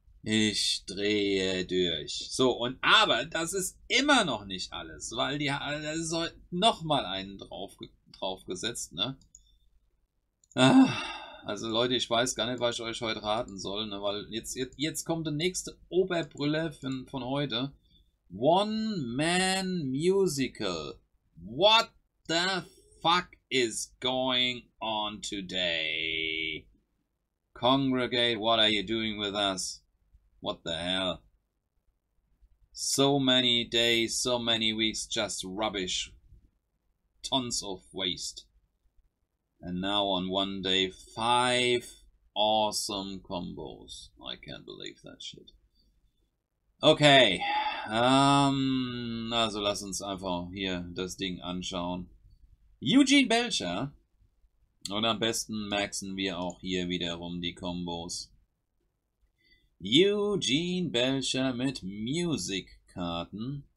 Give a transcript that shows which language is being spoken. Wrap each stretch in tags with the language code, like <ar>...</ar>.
<de>Ich drehe durch. So, und aber das ist immer noch nicht alles, weil die alle sollten noch mal einen draufgesetzt, ne? Also Leute, ich weiß gar nicht, was ich euch heute raten soll, ne? Weil jetzt kommt der nächste Oberbrille von heute.</de> <en>One Man Musical. What the fuck is going on today? Congregate, what are you doing with us? What the hell? So many days, so many weeks, just rubbish. Tons of waste. And now on one day, 5 awesome combos. I can't believe that shit. Okay.</en> <de>Also lass uns einfach hier das Ding anschauen. Eugene Belcher. Und am besten maxen wir auch hier wiederum die Combos. Eugene Belcher mit Musikkarten.</de>